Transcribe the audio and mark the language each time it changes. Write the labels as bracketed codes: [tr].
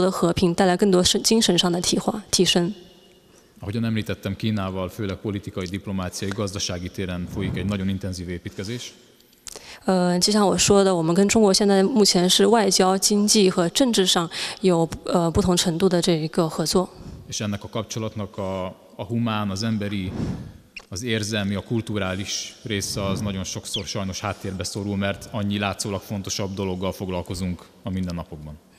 [zh] 如果我们能真正认识大家，认识每个面孔背后的真正的灵魂，我认为可以对我们的关系带来更多的和平，带来更多精神上的提升。 [hu] Ahogyan említettem, Kínával főleg politikai, diplomáciai, gazdasági téren folyik egy nagyon intenzív építkezés. [zh] 就像我说的，我们跟中国现在目前是外交、经济和政治上有不同程度的这一个合作。 [hu] És ennek a kapcsolatnak a humán, az emberi, az érzelmi, a kulturális része az nagyon sokszor sajnos háttérbe szorul, mert annyi látszólag fontosabb dologgal foglalkozunk a mindennapokban.